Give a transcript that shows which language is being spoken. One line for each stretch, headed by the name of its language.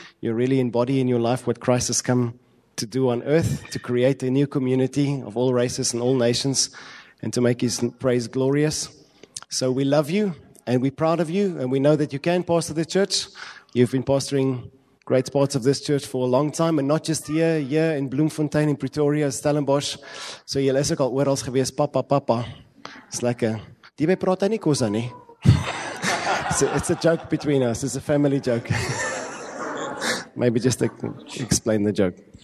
English: You really embody in your life what Christ has come to do on earth, to create a new community of all races and all nations, and to make his praise glorious. So we love you, and we're proud of you, and we know that you can pastor the church. You've been pastoring great parts of this church for a long time, and not just here in Bloemfontein, in Pretoria, Stellenbosch.
Afrikaans: So jy is ook al oral gewees, papa.
English: It's like a,
Afrikaans: die by praat nie kosa nie.
English: It's a joke between us, it's a family joke. Maybe just to explain the joke.